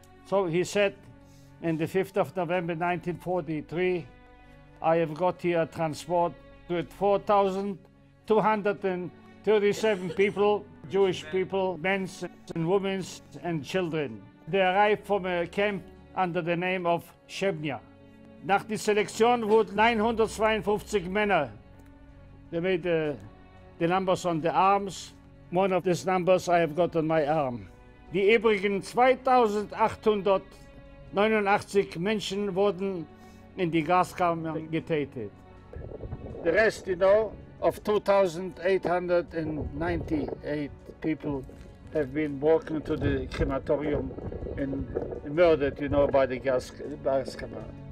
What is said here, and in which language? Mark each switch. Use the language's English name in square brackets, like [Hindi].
[English] So he said, on the 5th of November 1943, I have got here a transport with 4,237 people, Jewish people, men and women and children. They arrived from a camp under the name of Shebnia. [German] Nach der Selektion wurden 952 Männer. [English] They made the numbers on the arms. One of these numbers I have got on my arm. [German] Die übrigen 2,889 Menschen wurden in die Gaskammer getötet. [English] The rest, you know, of 2,898 people have been broken to the crematorium and murdered, you know, by the Gaskammer.